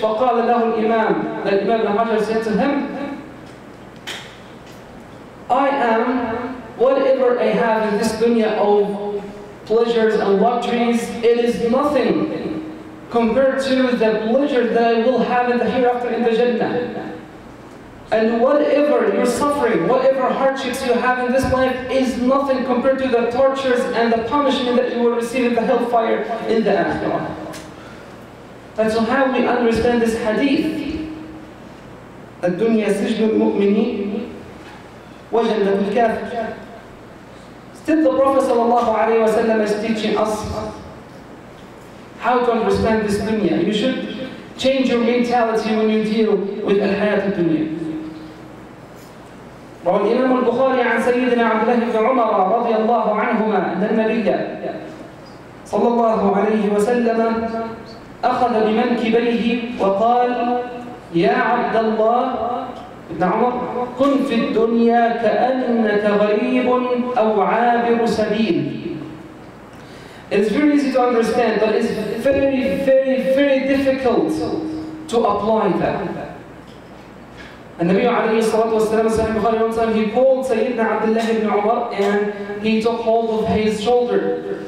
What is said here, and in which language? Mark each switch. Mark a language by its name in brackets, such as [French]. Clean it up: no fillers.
[Arabic] فَقَالَ لَهُ الْإِمَامِ [English] The Imam Ibn Hajar said to him, I am whatever I have in this dunya of pleasures and luxuries, it is nothing compared to the pleasure that I will have in the hereafter in the Jannah. And whatever you're suffering, whatever hardships you have in this life is nothing compared to the tortures and the punishment that you will receive in the hellfire in the afterlife. And so how we understand this hadith? [Arabic] الدنيا سجن المؤمنين وجنة الكافر. [English] Still the Prophet sallallahu alayhi wa sallam is teaching us how to understand this dunya. You should change your mentality when you deal with al-hayat al-dunya. [Arabic] روى الإمام البخاري عن سيدنا عبد الله بن عمر رضي الله عنهما أن النبي صلى الله عليه وسلم أخذ بمنكبيه وقال يا عبد الله بن عمر كن في الدنيا كأنك غريب أو عابر سبيل. [English] It's very easy to understand, but it's very, very, very difficult to apply that. And Nabi alayhi salatu wasalam, Sahih Bukhari, one time he called Sayyidina Abdullah ibn Umar and he took hold of his shoulder.